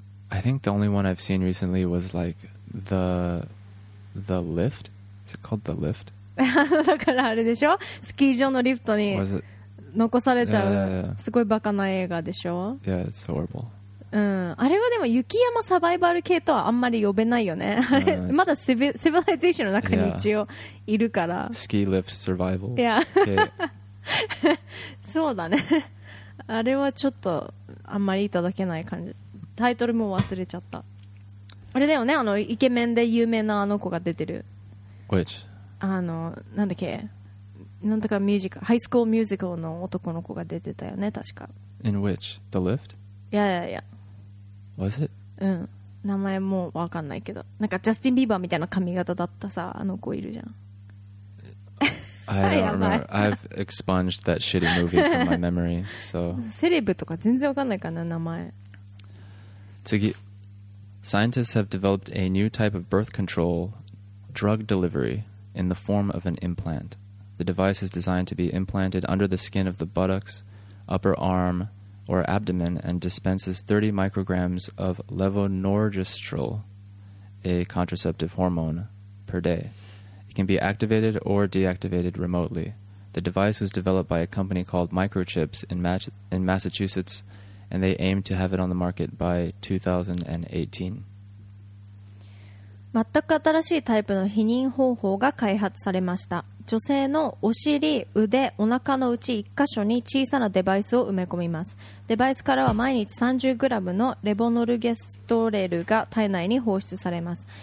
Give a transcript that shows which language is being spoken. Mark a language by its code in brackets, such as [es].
[en] I think the only one I've seen recently was like the lift. Is it called the lift? [ja] だからあれでしょ? スキー場のリフトに残されちゃう。すごいバカな映画でしょ? [en] Yeah, it's horrible. [ja] うん。あれはでも雪山サバイバル系とはあんまり呼べないよね。まだシビライゼーションの中に一応いるから。スキーリフトサバイバル。いや。そうだね。あれはちょっとあんまりいただけない感じタイトルも忘れちゃったあれだよね、あのイケメンで有名なあの子が出てる。 [en] Which? [ja] あのなんだっけ、なんとかミュージカル、ハイスクールミュージカルの男の子が出てたよね、確か。 [en] In which? The Lift? Yeah, yeah, yeah. Was it? [ja] うん。名前もわかんないけど、なんかジャスティン・ビーバーみたいな髪型だったさ、あの子いるじゃん。 [en] I don't remember. I've expunged that shitty movie from my memory. So. [ja] セレブとか全然わかんないかな、名前。次。 [en] Scientists have developed a new type of birth control drug delivery in the form of an implant. The device is designed to be implanted under the skin of the buttocks, upper arm, or abdomen and dispenses 30 micrograms of levonorgestrel, a contraceptive hormone, per day. It can be activated or deactivated remotely. The device was developed by a company called Microchips in Massachusetts, and they aim to have it on the market by 2018. [ja] 全く新しいタイプの避妊方法が開発されました。女性のお尻、腕、お腹のうち1箇所に小さなデバイスを埋め込みます。デバイスからは毎日 30g のレボノルゲストレルが体内に放出されます。